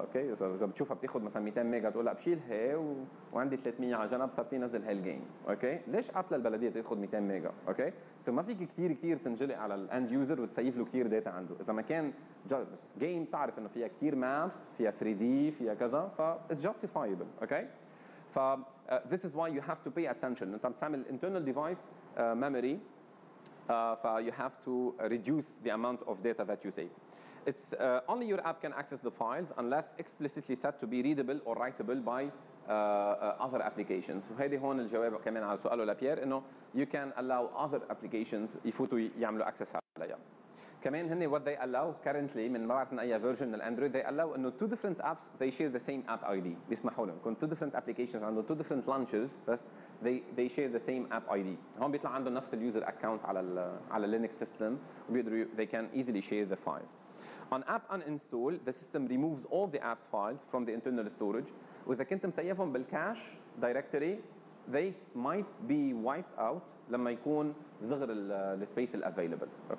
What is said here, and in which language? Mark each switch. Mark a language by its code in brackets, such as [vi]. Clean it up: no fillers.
[ar] اوكي اذا بتشوفها بتاخذ مثلا 200 ميجا تقول لا بشيلها وعندي 300 على جنب صار في نزل هالجيم. اوكي ليش اب للبلديه تاخذ 200 ميجا؟ اوكي سو ما فيك كثير كثير تنجلق على الاند يوزر وتسيف له كثير داتا عنده. اذا ما كان جربس جيم تعرف انه فيها كثير مابس، فيها 3D، فيها كذا، ف [en] it's justifiable. Okay ف this is why you have to pay attention. [ar] انت عم تعمل [en] internal device memory you have to reduce the amount of data that you save. It's only your app can access the files unless explicitly set to be readable or writable by other applications. [ar] هيدي هون الجواب كمان على سؤاله لبيير انه [en] you can allow other applications [ar] يفوتوا يعملوا access عليها. كمان هني [en] what they allow currently [ar] من ما بعرف من اي [en] version [ar] من الاندرويد [en] they allow انه two different apps they share the same app ID. [ar] بيسمحوا لهم كون [en] two different applications عنده two different launches بس they share the same app ID. [ar] هون بيطلع عنده نفس اليوزر [en] account على Linux system وبيقدروا they can easily share the files. On app uninstall, the system removes all the apps files from the internal storage. [ar] وإذا كنت مسيفهم بالكاش directory, [en] they might be wiped out [ar] لما يكون صغر الـ [en] space available.